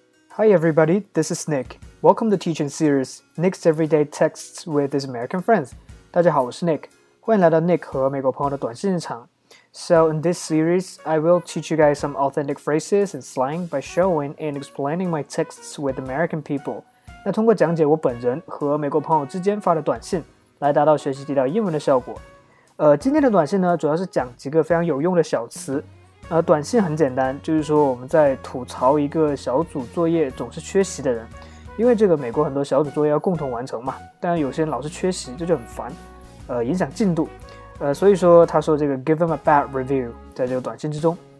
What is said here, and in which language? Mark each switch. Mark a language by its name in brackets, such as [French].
[English] Hi everybody, this is Nick. Welcome to Teaching Series, Nick's Everyday Texts with his American Friends. [Chinese] 大家好，我是 Nick. 欢迎来到 Nick 和美国朋友的短信日常。 [English] So in this series, I will teach you guys some authentic phrases and slang by showing and explaining my texts with American people. [Chinese] 那通过讲解我本人和美国朋友之间发的短信，来达到学习地道英文的效果。今天的短信呢，主要是讲几个非常有用的小词。短信很简单，就是说我们在吐槽一个小组作业总是缺席的人，因为这个美国很多小组作业要共同完成嘛，但有些人老是缺席，这就很烦，影响进度，所以说他说这个 [English] give him a bad review [Chinese] 在这个短信之中。